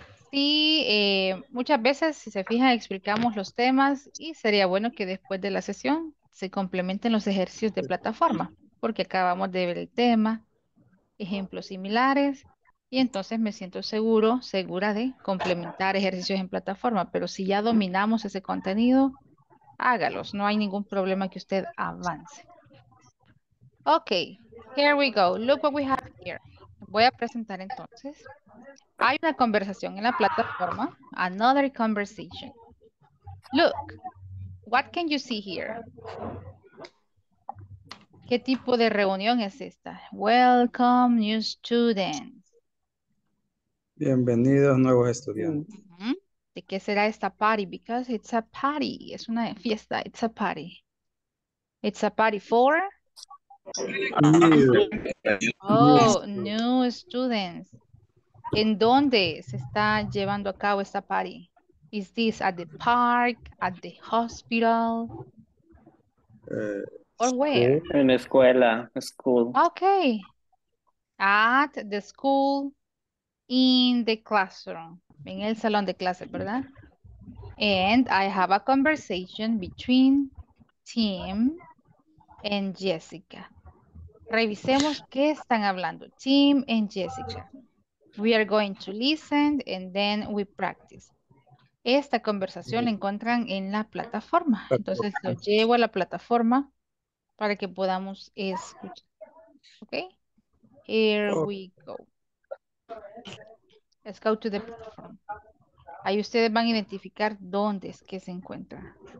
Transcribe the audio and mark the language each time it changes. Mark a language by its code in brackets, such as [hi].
[es] Sí, muchas veces, si se fijan, explicamos los temas y sería bueno que después de la sesión se complementen los ejercicios de plataforma, porque acabamos de ver el tema, ejemplos similares, y entonces me siento seguro, segura de complementar ejercicios en plataforma, pero si ya dominamos ese contenido, hágalos, no hay ningún problema que usted avance. [en] Ok, here we go, look what we have here. [es] Voy a presentar entonces. Hay una conversación en la plataforma, [en] another conversation. Look, what can you see here? [es] ¿Qué tipo de reunión es esta? [en] Welcome, new students. [es] Bienvenidos, nuevos estudiantes. ¿De qué será esta [en] party? Because it's a party. [es] Es una fiesta. [en] It's a party. It's a party for... New students. [es] ¿En dónde se está llevando a cabo esta party? [en] Is this at the park, at the hospital? Or where? [es] En escuela, school. [en] Okay. At the school, in the classroom. [es] En el salón de clase, ¿verdad? [en] And I have a conversation between Tim and Jessica. [es] Revisemos qué están hablando, Tim and Jessica. [en] We are going to listen and then we practice. [es] Esta conversación la encuentran en la plataforma. Entonces lo llevo a la plataforma para que podamos escuchar. Ok. [en] Here we go. Let's go to the platform. [es] Ahí ustedes van a identificar dónde es que se encuentra.